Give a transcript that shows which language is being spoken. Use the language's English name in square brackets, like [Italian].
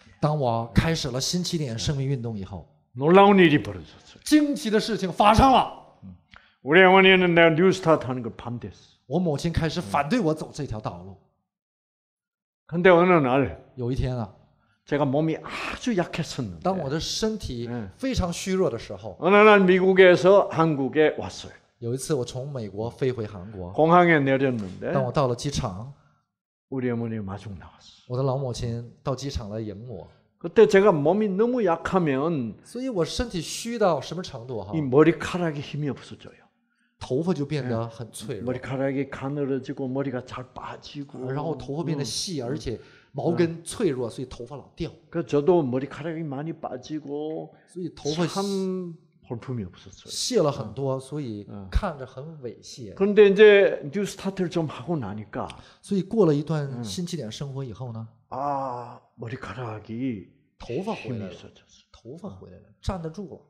[Chinese] 当我开始了新起点生命运动以后， [Korean] 놀라운일이벌어졌어요， [Chinese] 惊奇的事情发生了。 [Korean] 우리어머니는내가뉴스타트하는걸반대했어， [Chinese] 我母亲开始反对我走这条道路。 [Korean] 근데어느날， [Chinese] 有一天啊， [Korean] 제가몸이아주약했었는데， [Chinese] 当我的身体非常虚弱的时候， [Korean] 어느날미국에서한국에왔어요， [Chinese] 有一次我从美国飞回韩国， [Korean] 공항에내렸는데 [Chinese] 当我到了机场， [Korean] 우리어머니마중나왔어 [Chinese] 我的老母亲到机场来迎我。 [Korean] 그때제가몸이너무약하면 [Chinese] 所以我身体虚到什么程度哈？ [Korean] 이머리카락에힘이없어져요 [Chinese] 头发就变得很脆弱。 [Korean] 머리카락이가늘어지고머리가잘빠지고 [Chinese] 然后头发变得细，而且毛根脆弱，所以头发老掉。 [Korean] 그저도머리카락이많이빠지고 [Chinese] 所以头发 [Korean] 참볼품이없었어요 [Chinese] 卸了很多，所以看着很猥亵。 [Korean] 그런데이제뉴스타트를좀하고나니까 [Chinese] 所以过了一段新起点生活以后呢？ [Korean] 아머리카락이 [Chinese] 头发回来了，头发回来了，站得住了。